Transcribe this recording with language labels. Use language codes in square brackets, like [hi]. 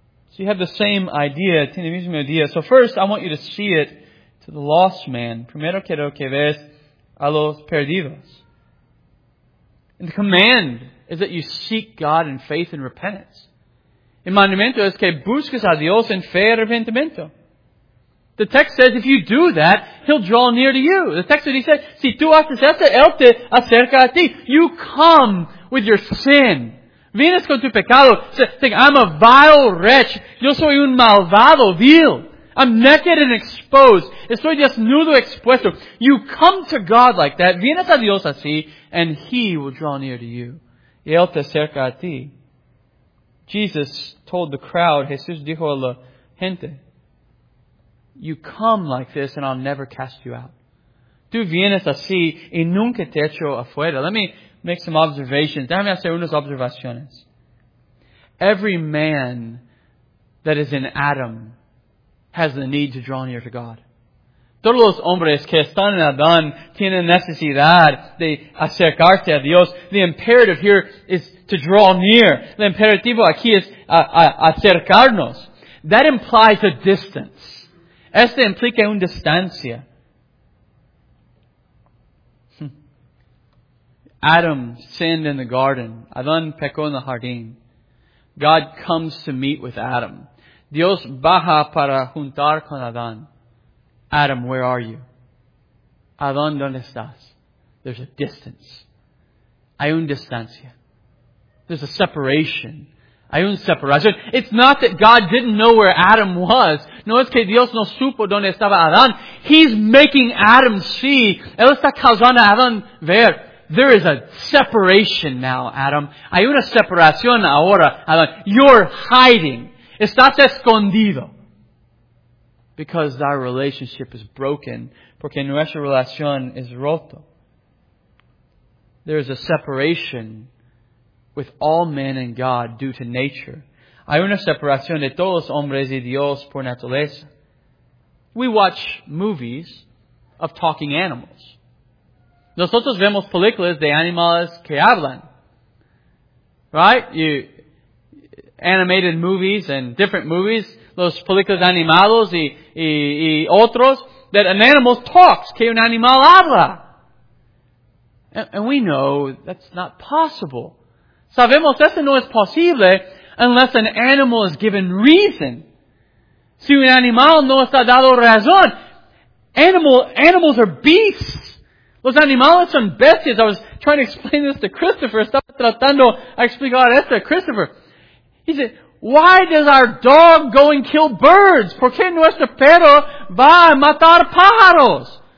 [en] So you have the same idea. [es] Tiene misma idea. [en] So first, I want you to see it to the lost man. [es] Primero quiero que veas a los perdidos. [en] And the command is that you seek God in faith and repentance. [es] El mandamiento es que busques a Dios en fe y arrepentimiento. [en] The text says if you do that, He'll draw near to you. The text says, [es] si tú haces esto, Él te acerca a ti. [en] You come with your sin. [es] Vienes con tu pecado. [en] Think, I'm a vile wretch. [es] Yo soy un malvado, vil. [en] I'm naked and exposed. [es] Estoy desnudo expuesto. [en] You come to God like that. [es] Vienes a Dios así, [en] and He will draw near to you. [es] Y Él te acerca a ti. [en] Jesus told the crowd, [es] Jesús dijo a la gente, [en] you come like this and I'll never cast you out. [es] Tú vienes así y nunca te echo afuera. [en] Let me make some observations. [es] Déjame hacer unas observaciones. [en] Every man that is in Adam has the need to draw near to God. [es] Todos los hombres que están en Adán tienen necesidad de acercarse a Dios. [en] The imperative here is to draw near. [es] El imperativo aquí es acercarnos. [en] That implies a distance. [es] Este implica un distancia. [en] Adam sinned in the garden. [es] Adán pecó en el jardín. [en] God comes to meet with Adam. Dios baja para juntar con Adán. Adam, where are you? [es] Adán, ¿dónde estás? [en] There's a distance. [es] Hay un distancia. [en] There's a separation. [es] Hay un separación. [en] It's not that God didn't know where Adam was. [es] No es que Dios no supo dónde estaba Adán. [en] He's making Adam see. [es] Él está causando a Adán ver. [en] There is a separation now, Adam. [es] Hay una separación ahora, Adán. [en] You're hiding. [es] Estás escondido. [en] Because our relationship is broken. [es] Porque nuestra relación es roto. [en] There is a separation with all men and God due to nature. [es] Hay una separación de todos hombres y Dios por naturaleza. [en] We watch movies of talking animals. [es] Nosotros vemos películas de animales que hablan. Right? [en] Animated movies and different movies. [es] Los películas animados y otros. [en] that an animal talks, [es] que un animal habla. [en] And we know that's not possible. [es] Sabemos eso no es posible [en] unless an animal is given reason. [es] Si un animal no está dado razón. [en] Animals are beasts. [es] Los animales son bestias. [en] I was trying to explain this to Christopher. [es] Estaba tratando de explicar esto a Christopher. [en] He said, why does our dog go and kill birds? [es] ¿Por qué nuestro perro va a matar pájaros?